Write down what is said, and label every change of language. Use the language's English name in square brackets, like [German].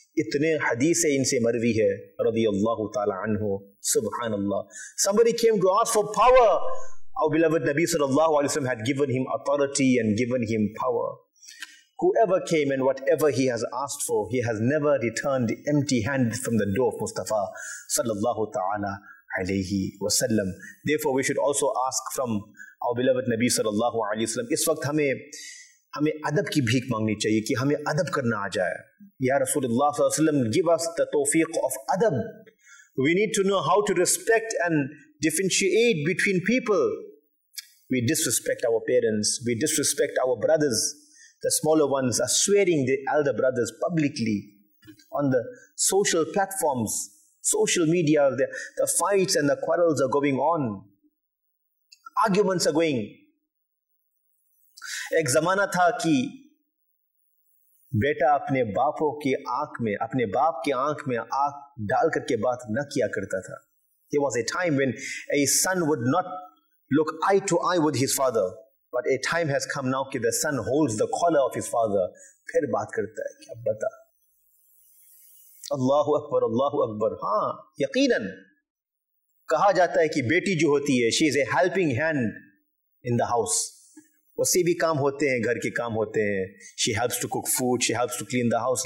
[Urdu] اتنے حدیث ان سے مروی ہے رضی اللہ تعالیٰ عنہ. [English] سبحان اللہ. Somebody came to ask for power. Our beloved Nabi sallallahu alayhi wa sallam had given him authority and given him power. Whoever came and whatever he has asked for, he has never returned empty handed from the door of Mustafa sallallahu ta'ala alayhi wa sallam. Therefore we should also ask from our beloved Nabi sallallahu alayhi wa sallam. [Urdu] اس وقت ہمیں ادب کی بھیک مانگنی چاہیے کہ ہمیں ادب کرنا آ جائے. یا رسول اللہ صلی اللہ علیہ وسلم, [English] give us the توفیق of ادب. We need to know how to respect and differentiate between people. We disrespect our parents, we disrespect our brothers. The smaller ones are swearing the elder brothers publicly on the social platforms, social media. The fights and the quarrels are going on, arguments are going. [Urdu] ایک زمانہ تھا کہ بیٹا اپنے باپوں کی آنکھ میں, اپنے باپ کی آنکھ میں آنکھ ڈال کر کے بات نہ کیا کرتا تھا. [English] There was a time when a son would not look eye to eye with his father, but a time has come now [Urdu] کہ [English] the son holds the collar of his father, [Urdu] پھر بات کرتا ہے. کیا بتا, اللہ اکبر اللہ اکبر. ہاں یقیناً کہا جاتا ہے کہ بیٹی جو ہوتی ہے, [English] she is a helping hand in the house. [Urdu] اس سے بھی کام ہوتے ہیں, گھر کے کام ہوتے ہیں. [English] She helps to cook food, she helps to clean the house.